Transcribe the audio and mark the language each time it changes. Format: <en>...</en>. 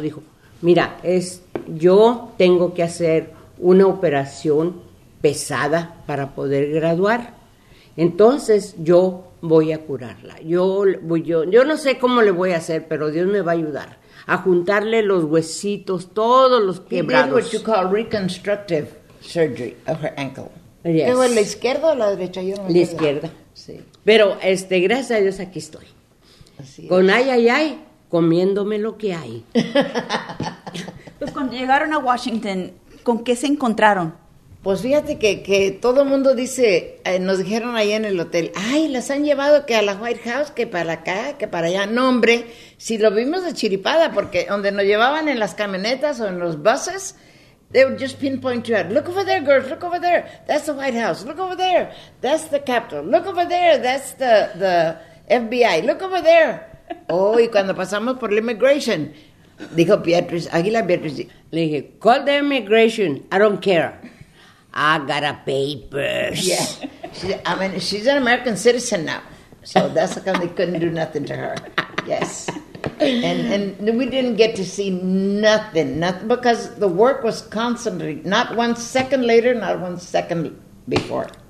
<es>Dijo, mira, yo tengo que hacer una operación pesada para poder graduar. Entonces yo voy a curarla. Yo no sé cómo le voy a hacer, pero Dios me va a ayudar a juntarle los huesitos, todos los quebrados.</es> <en>He did what you call reconstructive surgery of her ankle. Yes.</en> <es>¿Es la izquierda o la derecha? Yo no me la izquierda. Sí. Pero gracias a Dios aquí estoy. Así con es. Ay, ay, ay, comiéndome lo que hay. Pues cuando llegaron a Washington, ¿con qué se encontraron? Pues fíjate que todo el mundo dice, nos dijeron ahí en el hotel, ay, las han llevado que a la White House, que para acá, que para allá. No, hombre, si lo vimos de chiripada, porque donde nos llevaban en las camionetas o en los buses,</es> <en>they would just pinpoint you out. Look over there, girls, look over there, that's the White House. Look over there, that's the Capitol. Look over there, that's the FBI. Look over there. Oh, y cuando pasamos por la immigration, dijo Beatriz, Aguilar Beatriz.</en> <es>Le dije,</es> <en>call the immigration, I don't care. I got a papers. Yeah. She's an American citizen now. So that's how they couldn't do nothing to her. Yes. And we didn't get to see nothing, because the work was constantly, not 1 second later, not 1 second before.</en>